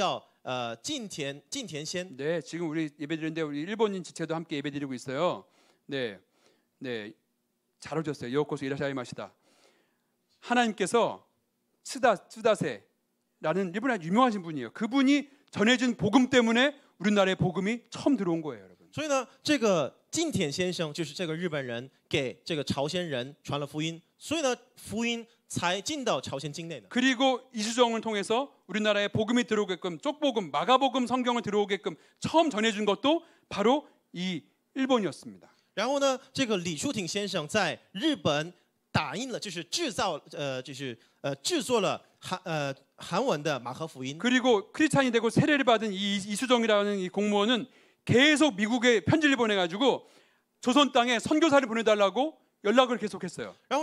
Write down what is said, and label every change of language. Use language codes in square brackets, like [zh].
[zh] 然后呢，比这个温斗优的事件更早一点的时间，有一位朝鲜人叫李树廷，他曾经去过日本，然后在那边学习，然后呢在日本见到了一个基督徒叫近田先。 [ko] 네, 지금 우리 예배드리는데 우리 일본인 지체도 함께 예배드리고 있어요. 네, 네. 잘 오셨어요. [ja] 요코스 이라샤이 마시다. [ko] 하나님께서 스다세라는 일본의 유명하신 분이에요. 그분이 전해준 복음 때문에 우리나라의 복음이 처음 들어온 거예요, 여러분. [zh] 所以呢，这个近田先生就是这个日本人给这个朝鲜人传了福音，所以呢，福音才进到朝鲜境内的。 [ko] 그리고 이수정을 통해서 우리나라의 복음이 들어오게끔 쪽복음, 마가복음 성경을 들어오게끔 처음 전해준 것도 바로 이 일본이었습니다. [zh] 然后呢，这个李树廷先生在日本打印了，就是制造，就是制作了韩文的马和福音。 [ko] 그리고 크리스찬이 되고 세례를 받은 이 이수정이라는 이 공무원은 계속 미국에 편지를 보내가지고 조선 땅에 선교사를 보내달라고 연락을 계속했어요.